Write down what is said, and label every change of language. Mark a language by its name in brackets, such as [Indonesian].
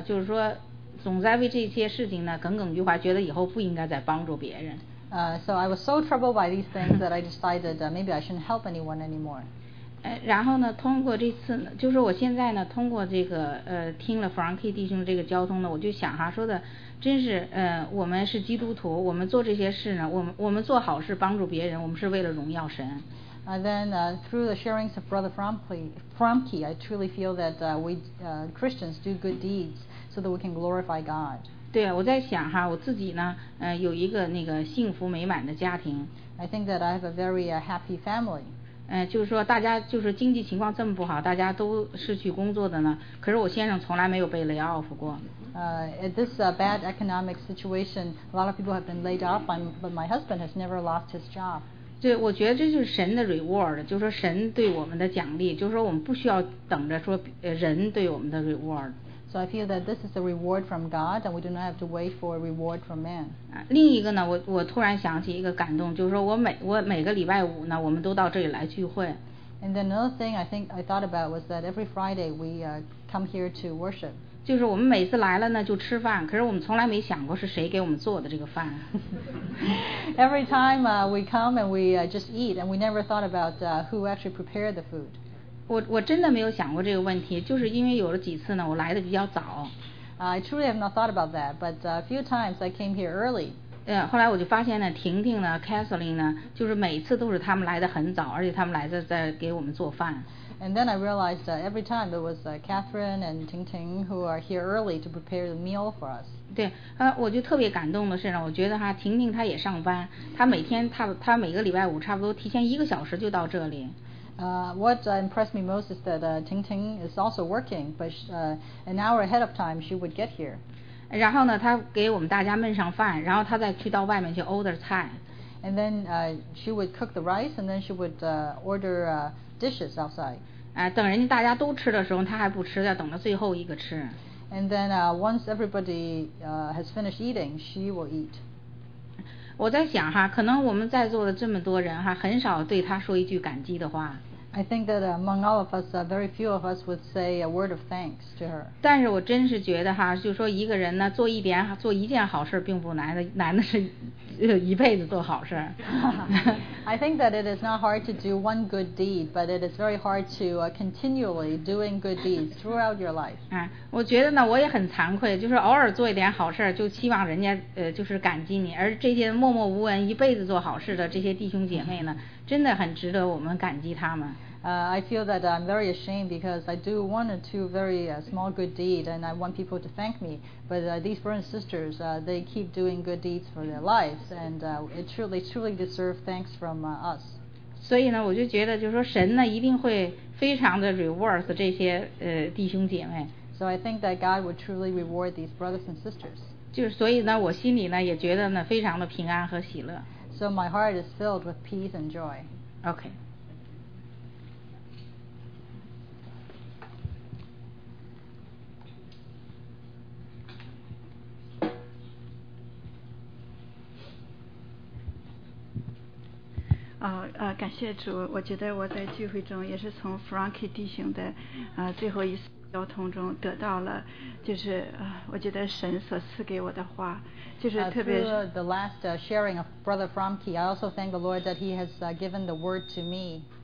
[Chinese] 就是说，总在为这些事情呢耿耿于怀，觉得以后不应该再帮助别人。 [English] So I was so troubled by these things that I decided maybe I shouldn't help anyone anymore. [Chinese] 然后呢，通过这次，就是我现在呢，通过这个听了 Frank K 弟兄这个交通呢，我就想哈，说的真是，我们是基督徒，我们做这些事呢，我们做好事帮助别人，我们是为了荣耀神。 [English] Through the sharings of Brother Frumke, I truly feel that Christians do good deeds so that we can glorify God. [Chinese] 对，我在想哈，我自己呢，有一个那个幸福美满的家庭。 [English] I think that I have a very happy family. [Chinese] 就是说大家就是经济情况这么不好，大家都失去工作的呢，可是我先生从来没有被 lay off 过。 [English] Bad economic situation, a lot of people have been laid off, but my husband has never lost his job. [Chinese] 对，我觉得这就是神的 reward， 就是说神对我们的奖励，就是说我们不需要等着说人对我们的 reward。 [English] So I feel that this is a reward from God, and we do not have to wait for a reward from man. [Chinese] 另一个呢，我突然想起一个感动，就是说我每个礼拜五呢，我们都到这里来聚会。 [English] And then another thing I think I thought about was that every Friday we come here to worship. [Chinese] 就是我们每次来了呢就吃饭，可是我们从来没想过是谁给我们做的这个饭。 [English] Every time we come and we just eat, and we never thought about who actually prepared the food. [Chinese] 我真的没有想过这个问题，就是因为有了几次呢，我来的比较早。 [English] I truly have not thought about that, but a few times I came here early. [Chinese] 后来我就发现呢，婷婷呢 ，Kathleen 呢，就是每次都是他们来的很早，而且他们来的在给我们做饭。 [English] And then I realized that every time it was Catherine and Ting Ting who are here early to prepare the meal for us. [Chinese] 对，我就特别感动的是呢，我觉得哈，婷婷她也上班，她每天她每个礼拜五差不多提前一个小时就到这里。 [English] What impressed me most is that Ting Ting is also working, but an hour ahead of time she would get here. [Chinese] 然后呢，她给我们大家焖上饭，然后她再去到外面去 order 菜。 [English] And then she would cook the rice, and then she would order dishes outside. [Chinese] 等人家大家都吃的时候，她还不吃，要等到最后一个吃。 [English] And then once everybody has finished eating, she will eat. [Chinese] 我在想哈，可能我们在座的这么多人哈，很少对她说一句感激的话。 [English] I think that among all of us, very few of us would say a word of thanks to her. [Chinese] 但是我真是觉得哈，就说一个人呢，做一件好事并不难的，难的是。一辈子做好事。 [English] I think that it is not hard to do one good deed, but it is very hard to continually doing good deeds throughout your life. [Chinese] 我觉得呢，我也很惭愧，就是偶尔做一点好事，就希望人家就是感激你。而这些默默无闻一辈子做好事的这些弟兄姐妹呢，真的很值得我们感激他们。 [English] I feel that I'm very ashamed because I do one or two very small good deeds and I want people to thank me. But these brothers and sisters, they keep doing good deeds for their lives and it truly, truly deserve thanks from us. [Chinese] 所以呢，我就觉得就是说神呢一定会非常的 reward 这些弟兄姐妹。 [English] So I think that God would truly reward these brothers and sisters. [Chinese] 就是所以呢，我心里呢也觉得呢非常的平安和喜乐。 [English] So my heart is filled with peace and joy. Okay. [Chinese] 感谢主，我觉得我在聚会中也是从 Frankie 弟兄的最后一次交通中得到了，就是我觉得神所赐给我的话，就是特别是 [English] through the last sharing of Brother Frankie, I also thank the Lord that he has given the word to me.